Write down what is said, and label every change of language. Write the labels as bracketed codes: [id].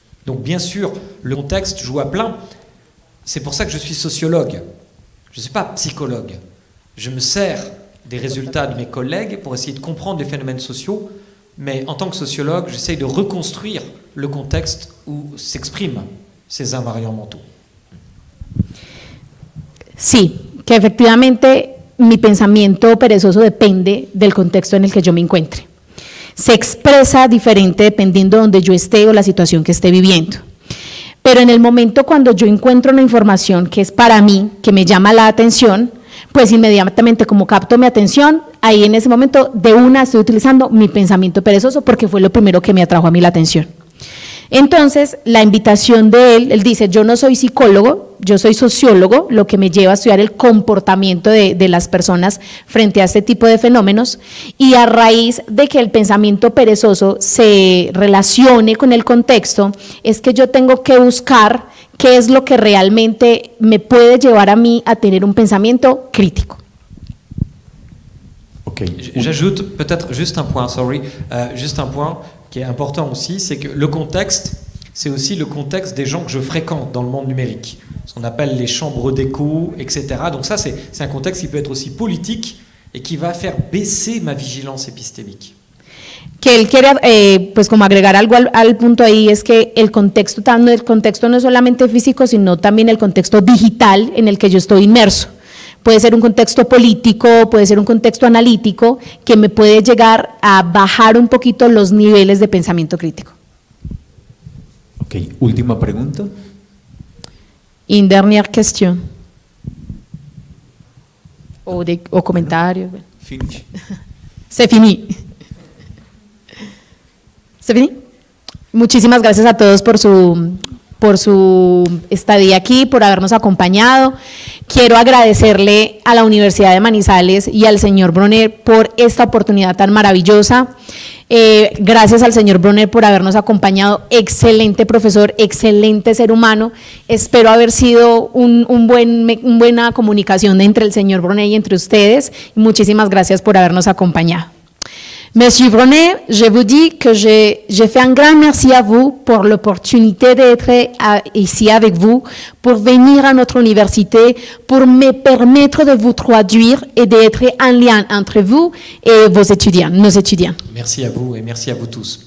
[fr] Donc, bien sûr, le contexte joue à plein. C'est pour ça que je suis sociologue. Je ne suis pas psychologue. Je me sers des résultats de mes collègues pour essayer de comprendre les phénomènes sociaux, mais en tant que sociologue, j'essaye de reconstruire le contexte où s'expriment ces invariants mentaux. [es] Sí, que efectivamente mi pensamiento perezoso depende del contexto en el que yo me encuentre. Se expresa diferente dependiendo de donde yo esté o la situación que esté viviendo. Pero en el momento cuando yo encuentro una información que es para mí, que me llama la atención, pues inmediatamente como capto mi atención, ahí en ese momento de una estoy utilizando mi pensamiento perezoso porque fue lo primero que me atrajo a mí la atención. Entonces, la invitación de él, él dice, yo no soy psicólogo, yo soy sociólogo, lo que me lleva a estudiar el comportamiento de las personas frente a este tipo de fenómenos, y a raíz de que el pensamiento perezoso se relacione con el contexto, es que yo tengo que buscar qué es lo que realmente me puede llevar a mí a tener un pensamiento crítico. [fr] Ok, j'ajoute peut-être juste un point, sorry, juste un point, qui est important aussi, c'est que le contexte, c'est aussi le contexte des gens que je fréquente dans le monde numérique, ce qu'on appelle les chambres d'écho, etc. Donc ça, c'est un contexte qui peut être aussi politique et qui va faire baisser ma vigilance épistémique. [es] Qu'il quiere, pues como agregar algo al punto ahí, es que el contexto no es solamente físico, sino también el contexto digital en el que yo estoy inmerso. Puede ser un contexto político, puede ser un contexto analítico que me puede llegar a bajar un poquito los niveles de pensamiento crítico. Ok, última pregunta. [fr] Une dernière question. [es] O comentario. [fr] Fini. C'est fini. C'est fini. [es] Muchísimas gracias a todos por su estadía aquí, por habernos acompañado. Quiero agradecerle a la Universidad de Manizales y al señor Brunner por esta oportunidad tan maravillosa. Gracias al señor Brunner por habernos acompañado. Excelente profesor, excelente ser humano. Espero haber sido una buena comunicación entre el señor Brunner y entre ustedes. Muchísimas gracias por habernos acompañado. [fr] Monsieur Brunner, je vous dis que je fais un grand merci à vous pour l'opportunité d'être ici avec vous, pour venir à notre université, pour me permettre de vous traduire et d'être un lien entre vous et nos étudiants. Merci à vous et merci à vous tous.